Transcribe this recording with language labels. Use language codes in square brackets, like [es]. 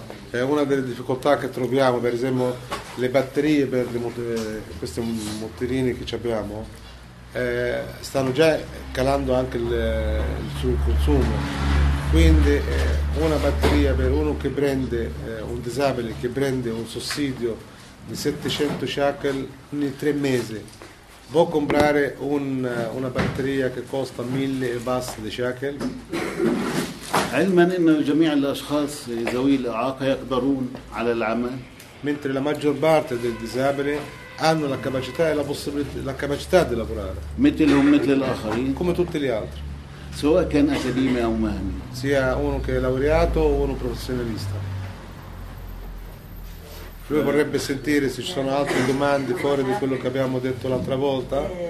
[it] È una delle difficoltà che troviamo, per esempio le batterie per questi motorini che abbiamo stanno già calando anche il suo consumo. Quindi una batteria per uno che prende un disabile che prende un sussidio di 700 shekel ogni tre mesi può comprare una batteria che costa 1000 e basta di shekel. [ar] علما ان جميع الاشخاص ذوي الاعاقه يقدرون على العمل [it] mentre la maggior parte dei disabili hanno la capacità e la capacità di lavorare [ar] مثل الاخرين [it] come tutti gli altri [ar] سواء كان اكاديمي او مهني [it] sia uno che è laureato o uno professionista. Lui vorrebbe sentire se ci sono altre domande fuori di quello che abbiamo detto l'altra volta.